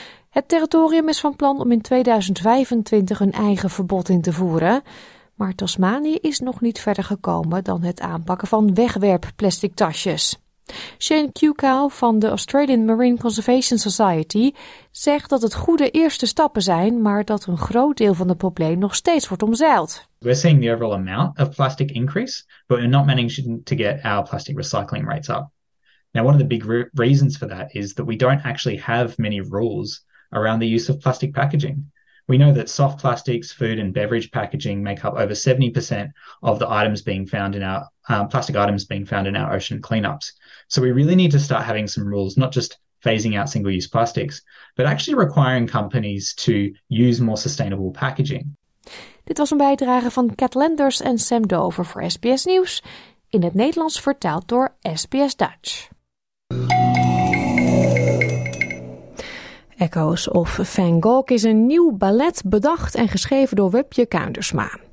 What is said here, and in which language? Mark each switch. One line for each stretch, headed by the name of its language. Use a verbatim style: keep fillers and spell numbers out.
Dutch: Het territorium is van plan om in tweeduizend vijfentwintig een eigen verbod in te voeren, maar Tasmanië is nog niet verder gekomen dan het aanpakken van wegwerpplastic tasjes. Shane Kukow van de Australian Marine Conservation Society zegt dat het goede eerste stappen zijn, maar dat een groot deel van het probleem nog steeds wordt omzeild.
English: We're seeing the overall amount of plastic increase, but we're not managing to get our plastic recycling rates up. Now, one of the big re- reasons for that is that we don't actually have many rules around the use of plastic packaging. We know that soft plastics, food and beverage packaging make up over seventy percent of the items being found in our um, plastic items being found in our ocean cleanups. So we really need to start having some rules, not just phasing out single-use plastics, but actually requiring companies to use more sustainable packaging.
Dutch: Dit was een bijdrage van Cat Landers en Sam Dover voor S B S Nieuws, in het Nederlands vertaald door S B S Dutch. Echoes of Van Gogh is een nieuw ballet bedacht en geschreven door Wubje Kuindersma.